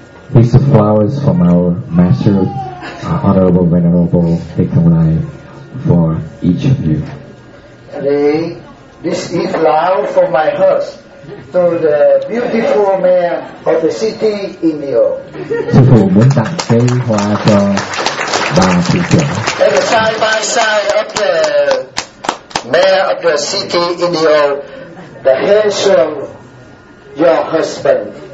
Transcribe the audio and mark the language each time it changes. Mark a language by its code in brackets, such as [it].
[en] These are flowers from our Master, our Honorable Venerable Thichen Nhat, for each of you. Today, this is love from my heart to the beautiful mayor of the city in New York. [vi] Sư phụ muốn tặng cây hoa cho bà thị trưởng. [en] And the side by side of the mayor of the city in New York, the handsome your husband.